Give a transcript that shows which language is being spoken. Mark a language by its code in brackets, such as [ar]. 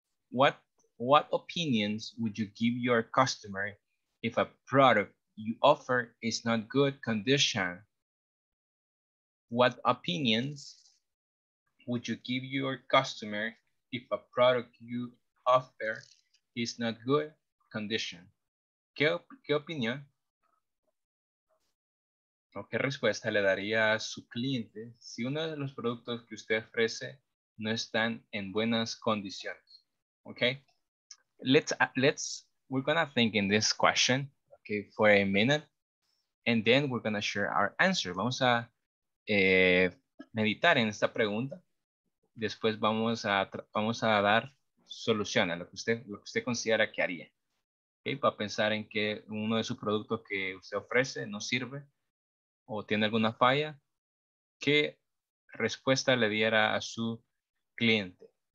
[en] What opinions would you give your customer if a product you offer is not good condition? What opinions would you give your customer if a product you offer is not good condition? [es] ¿Qué opinión o qué respuesta le daría a su cliente si uno de los productos que usted ofrece no están en buenas condiciones? [en] Okay, we're gonna think in this question for a minute, and then we're gonna share our answer. [es] Vamos a meditar en esta pregunta. Después vamos a dar solución a lo que usted considera que haría. Okay, para pensar en que uno de sus productos que usted ofrece no sirve o tiene alguna falla, ¿qué respuesta le diera a su cliente?